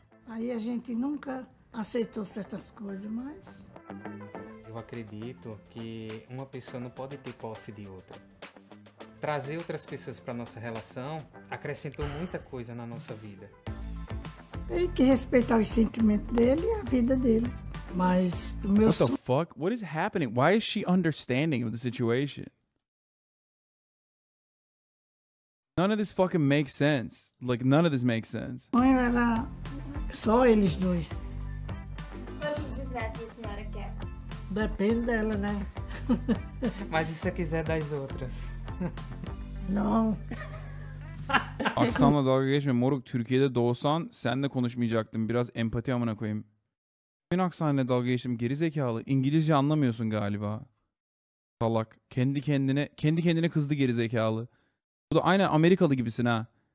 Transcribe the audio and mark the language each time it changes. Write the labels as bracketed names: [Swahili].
[Portuguese] Aí a gente nunca aceitou certas coisas, mas... Eu acredito que uma pessoa não pode ter posse de outra. trazer outras pessoas para nossa relação acrescentou muita coisa na nossa vida. Tem que respeitar os sentimentos dele e a vida dele. Mas o meu sonho... [English] What the fuck? What is happening? Why is she understanding of the situation? None of this fucking makes sense. Like, none of this makes sense. [Portuguese] Mãe, era só eles dois. Depende dela, né? Mas e se eu quiser das outras? Não. [Turkish] Aksan'la dalga geçme. Moruk, Türkiye'de doğsan senle konuşmayacaktım. Biraz empati amına koyayım. Ben Aksan'la dalga geçtim. Gerizekalı. İngilizce anlamıyorsun galiba. Salak. Kendi kendine kızdı gerizekalı. Bu da aynen Amerikalı gibisin ha.